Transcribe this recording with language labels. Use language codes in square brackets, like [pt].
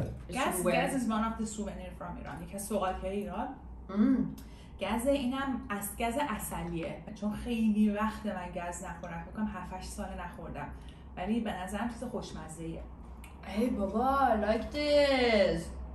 [en] Gaz is one of the souvenirs from Iran. You can see it in Iran. [fa] گز اینم از گز اصلیه. چون خیلی وقت من گز نخوردم، فکر کنم 7-8 سال نخوردم، ولی به نظرم چیز خوشمزه‌ایه. ای بابا، [en] I like this.